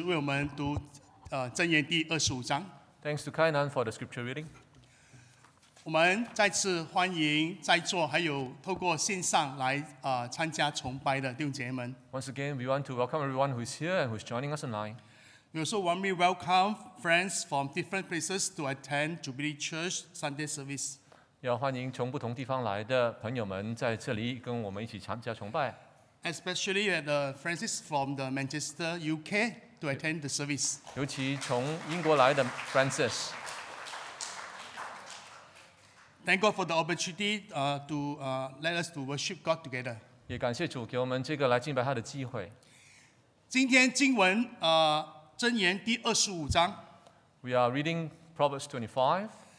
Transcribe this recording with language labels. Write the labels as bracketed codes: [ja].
[en] Thanks to Kainan for the scripture reading. [zh] 我们再次欢迎在座还有透过线上来参加崇拜的弟兄姐妹们。 [en] Once again, we want to welcome everyone who is here and who is joining us online. We also want to welcome friends from different places to attend Jubilee Church Sunday service. [zh] 要欢迎从不同地方来的朋友们在这里跟我们一起参加崇拜。 [en] Especially the Francis from the Manchester, UK, to attend the service. [zh] 尤其从英国来的 Francis. [en] Thank God for the opportunity let us to worship God together. [zh] 也感谢主给我们这个来敬拜他的机会。今天经文, 箴言第25章。 [en] We are reading Proverbs 25.